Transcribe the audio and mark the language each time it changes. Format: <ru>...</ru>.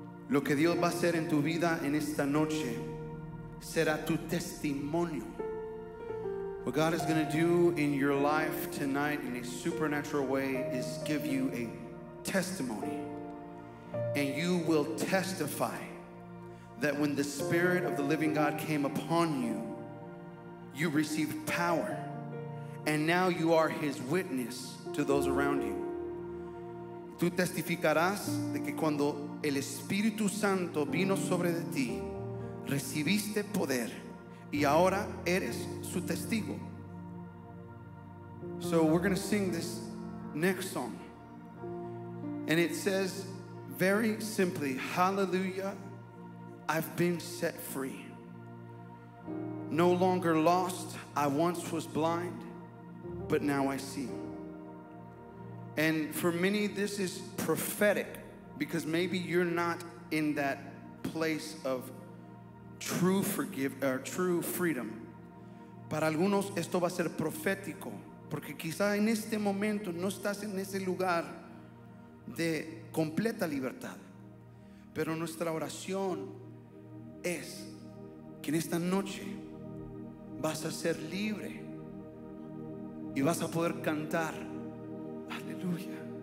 <es>Lo que Dios va a hacer en tu vida en esta noche será tu testimonio.</es> <en>What God is going to do in your life tonight in a supernatural way is give you a testimony. And you will testify that when the Spirit of the living God came upon you, you received power, and now you are His witness to those around you.</en> <es>Tú testificarás de que cuando el Espíritu Santo vino sobre de ti, recibiste poder, y ahora eres su testigo.</es> <en>So we're going to sing this next song, and it says very simply, hallelujah, I've been set free. No longer lost, I once was blind, but now I see. And for many, this is prophetic, because maybe you're not in that place of true freedom.</en> <es>Para algunos esto va a ser profético, porque quizá en este momento no estás en ese lugar de completa libertad. Pero nuestra oración es que en esta noche vas a ser libre y vas a poder cantar aleluya.</es>